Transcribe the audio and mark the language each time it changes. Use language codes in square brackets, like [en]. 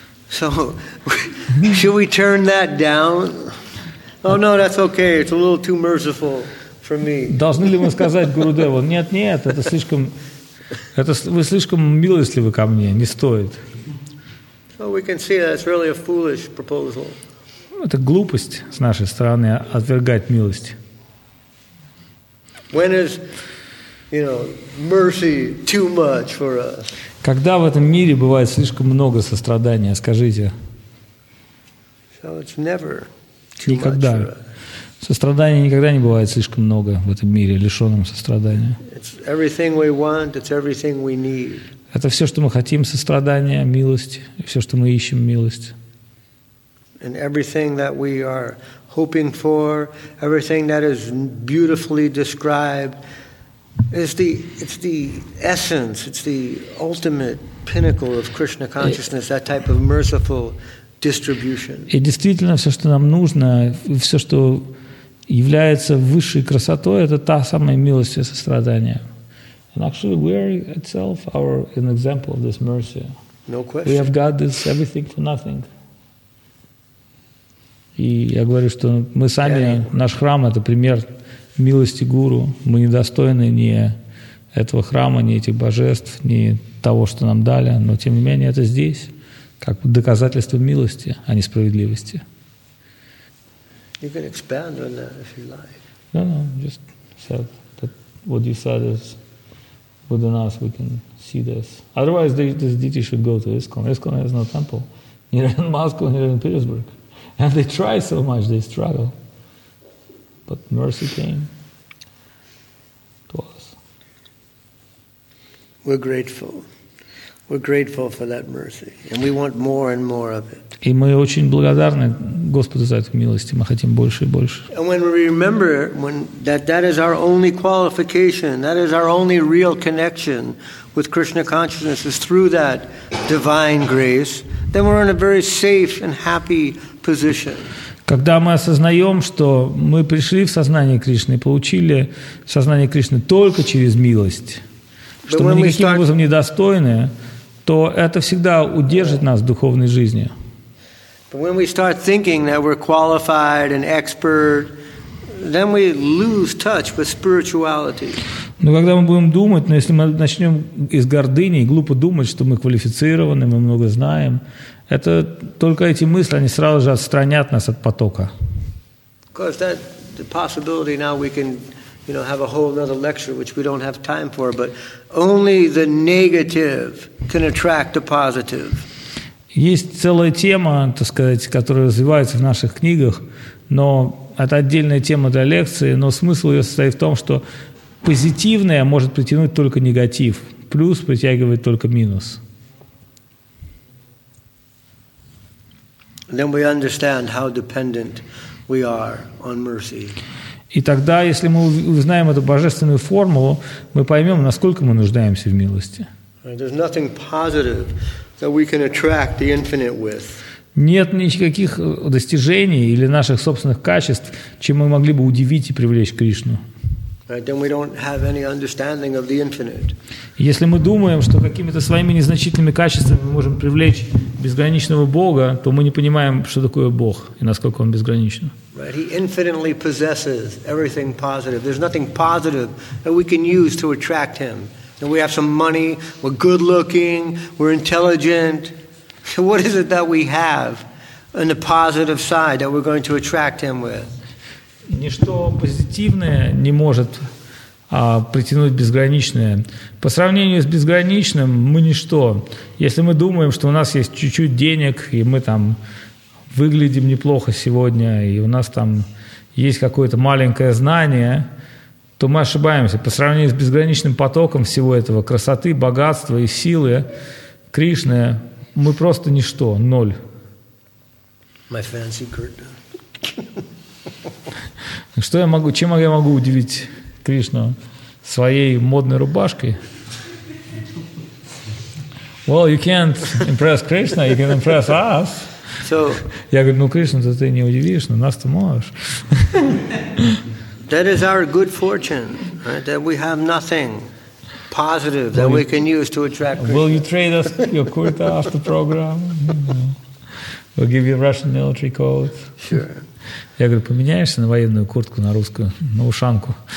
[en] So, should we turn that down? Oh no, that's okay. It's a little too merciful for me. [ru] Должны ли мы сказать Гурудеву? Нет, нет, это слишком. Это вы слишком милостивы ко мне. Не стоит. [en] So we can see that's really a foolish proposal. [ru] Это глупость с нашей стороны отвергать милость. [en] When is, you know, mercy too much for us? [ru] Когда в этом мире бывает слишком много сострадания? Скажите. [en] So it's never. [ru] Никогда. Сострадания никогда не бывает слишком много в этом мире, лишенном сострадания. [en] It's everything we want, it's everything we need. [ru] Это все, что мы хотим, сострадание, милость, и все, что мы ищем, милость. [en] And everything that we are hoping for, everything that is beautifully described, it's the essence, it's the ultimate pinnacle of Krishna consciousness, that type of merciful. [ru] И действительно, все, что нам нужно, все, что является высшей красотой, это та самая милость и сострадание. [en] And actually, we are itself our an example of this mercy. No question. We have got this everything for nothing. [ru] И я говорю, что мы сами, наш храм – это пример милости гуру. Мы недостойны ни этого храма, ни этих божеств, ни того, что нам дали, но тем не менее это здесь. Как доказательство милости, а не справедливости. [en] You can expand on that if you like. No, no, just said that what you said is within us we can see this. Otherwise, this deity should go to ISKCON. ISKCON has no temple. Neither in Moscow, neither in Petersburg. And they try so much, they struggle. But mercy came to us. We're grateful. We're grateful for that mercy. And we want more and more of it. [ru] И мы очень благодарны Господу за эту милость, и мы хотим больше и больше. [en] And when we remember when that is our only qualification, that is our only real connection with Krishna consciousness is through that divine grace, then we're in a very safe and happy position. [ru] Когда мы осознаем, что мы пришли в сознание Кришны и получили сознание Кришны только через милость, что мы никаким образом не достойны, то это всегда удержит нас в духовной жизни. [en] But when we start thinking that we're qualified and expert, then we lose touch with spirituality. [ru] Но когда мы будем думать, но если мы начнем из гордыни и глупо думать, что мы квалифицированы, мы много знаем, это только эти мысли, они сразу же отстранят нас от потока. [en] Because that the possibility now we can, you know, have a whole other lecture which we don't have time for, but only the negative can attract the positive. [ru] Есть целая тема, так сказать, которая развивается в наших книгах, но это отдельная тема для лекции, но смысл ее состоит в том, что позитивное может притянуть только негатив, плюс притягивает только минус. [en] Then we understand how dependent we are on mercy. [ru] И тогда, если мы узнаем эту божественную формулу, мы поймем, насколько мы нуждаемся в милости. [en] There's nothing positive that we can attract the infinite with. [ru] Нет никаких достижений или наших собственных качеств, чем мы могли бы удивить и привлечь Кришну. [en] Right, then we don't have any understanding of the infinite. [ru] Если мы думаем, что какими-то своими незначительными качествами мы можем привлечь безграничного Бога, то мы не понимаем, что такое Бог и насколько Он безграничен. [en] Right, He infinitely possesses everything positive. There's nothing positive that we can use to attract Him. And we have some money, we're good looking, we're intelligent. So what is it that we have on the positive side that we're going to attract him with? [ru] Ничто позитивное не может притянуть безграничное. По сравнению с безграничным, мы ничто. Если мы думаем, что у нас есть чуть-чуть денег, и мы там выглядим неплохо сегодня, и у нас там есть какое-то маленькое знание, то мы ошибаемся. По сравнению с безграничным потоком всего этого, красоты, богатства и силы Кришны, мы просто ничто, ноль. [en] My fancy curtain. [ru] Что я могу, чем я могу удивить Кришну? Своей модной рубашкой? [en] Well, you can't impress Krishna, you can impress us. So, [ru] я говорю, ну, Кришна, то ты не удивишь, но нас-то можешь. [en] That is our good fortune, right? That we have nothing positive that we can use to attract Krishna. Will you trade us your kurta after program? We'll give you Russian military coat. Sure. [ru] Я говорю, поменяешься на военную куртку, на русскую, на ушанку.